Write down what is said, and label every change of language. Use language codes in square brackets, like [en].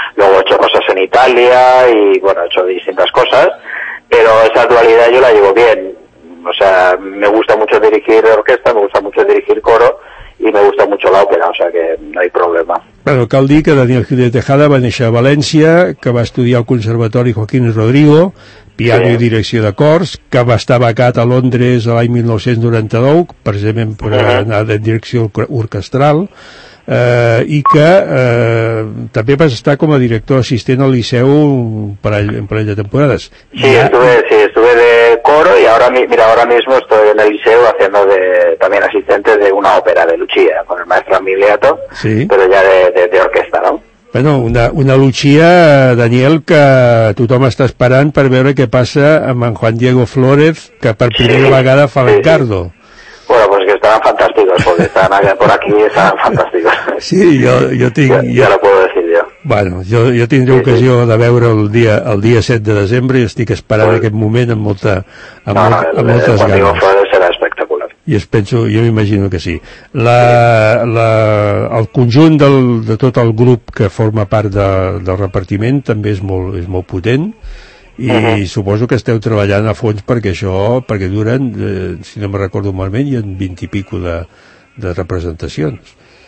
[es] Luego he hecho cosas en Italia y bueno, he hecho distintas cosas, pero esa dualidad yo la llevo bien. O sea, me gusta mucho dirigir orquesta, me gusta mucho dirigir coro y me gusta mucho la ópera, o sea que no hay problema. [ca] Bueno, cal dir que Daniel Gil de Tejada va néixer a València, que va estudiar al Conservatori Joaquín Rodrigo, piano sí. i direcció de cors, que va estar becat a Londres l'any 1999, precisament per anar de direcció orquestral, i que també vas estar com a director assistent al Liceu un parell de temporades. [es] Sí, estuve de coro y ahora mismo estoy en el Liceu haciendo de también asistente de una ópera de Lucia con el maestro Emiliato, sí. pero ya de orquesta, ¿no? [ca] Bueno, una Lucia, Daniel, que tothom està esperant per veure què passa amb en Juan Diego Flórez, que per primera vegada fa l'Encardo. [es] Sí, sí. Bueno, pues que estaban fantásticos, porque están allá por aquí y estaban fantásticos. [ca] Sí, jo tinc... [es] Ja, ja lo puedo decir yo. [ca] Bueno, jo tindré sí, ocasió sí. de veure el dia 7 de desembre i estic esperant pues... aquest moment amb moltes ganes. Juan Diego Flórez serà espectacular. I es penso, jo m'imagino que sí. El conjunt de tot el grup que forma part del repartiment també és molt potent i suposo que esteu treballant a fons perquè duren, si no me recordo malament, hi ha 20 i pico de representacions.